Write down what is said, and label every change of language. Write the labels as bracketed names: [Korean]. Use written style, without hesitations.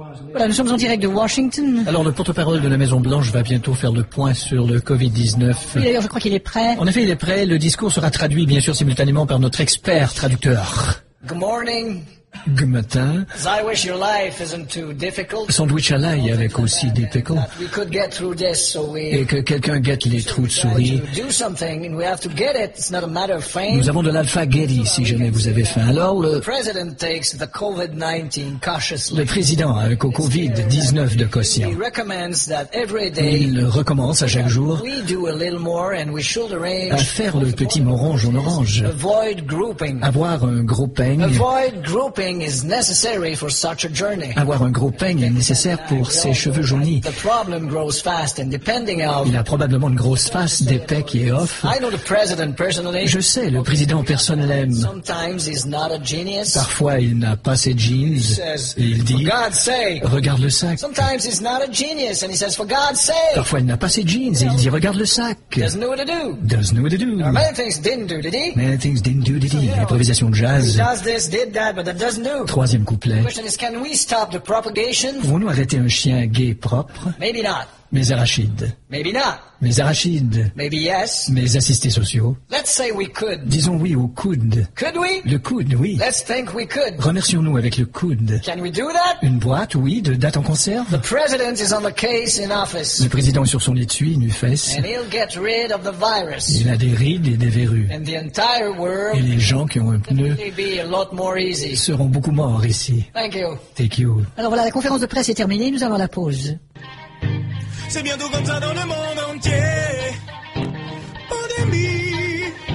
[French] Voilà, nous sommes en direct de Washington. Alors, le porte-parole de la Maison-Blanche va bientôt faire le point sur le COVID-19. Oui, d'ailleurs, je crois qu'il est prêt. En effet, il est prêt. Le discours sera traduit, bien sûr, simultanément par notre expert traducteur. [English] Good morning. Good [French] matin. [English] As I wish your life isn't too difficult. [French] Sandwich à l'ail avec aussi des pécans. [English] We could get through this, so we... [French] Et que quelqu'un guette les trous de souris. [English] Do something and we have to get it. It's not a matter of fame. [French] Nous avons de l'alpha-guéry si jamais vous avez faim. Alors le [English] President takes the COVID-19 cautiously. [French] Le président avec le COVID-19 de quotient. [English] He recommends that every day. [French] Il recommence à chaque jour. [English] We do a little more and we should arrange. [French] À faire le petit morange en orange. [English] Avoid grouping. [French] Avoir un gros peigne. [English] Avoid grouping. Is necessary for such a journey. [French] Avoir un gros peigne est nécessaire pour ses cheveux jaunis. [English] The problem grows fast and depending on. [French] Il a probablement une grosse face d'épais qui est off. [English] I know the president personally. [French] Je sais le président personnellement. [English] Sometimes he's not a genius. [French] Parfois il n'a pas ses jeans. Il dit, [English] for God's sake. [French] Regarde le sac. [English] Sometimes he's not a genius and he says, for God's sake. [French] Parfois il n'a pas ses jeans et il dit, regarde le sac. [English] Doesn't know what to do. Doesn't know what to do. Many things didn't do, did he? Many things didn't do, did he? [French] Improvisation de jazz. [English] He does this, did that, but that doesn't. [French] Troisième couplet. [English] Can we stop the propagation? [French] Pouvons-nous arrêter un chien gay propre? [English] Maybe not. [French] Mes arachides. [English] Maybe not. [French] Mes arachides. [English] Maybe yes. [French] Mes assistés sociaux. [English] Let's say we could. [French] Disons oui au coude. [English] Could we? [French] Le coude, oui. [English] Let's think we could. [French] Remercions-nous avec le coude. [English] Can we do that? [French] Une boîte, oui, de date en conserve. [English] The president is on the case in office. [French] Le président est sur son étui, nu fesse. [English] And he'll get rid of the virus. [French] Il a des rides et des verrues. [English] And the entire world. [French] Et les gens qui ont un pneu. [English] Be a lot more easy. [French] Seront beaucoup morts ici. [English] Thank you. Thank you. [French] Alors voilà, la conférence de presse est terminée. Nous avons la pause. C'est bientôt comme ça dans le monde entier. Pandémie.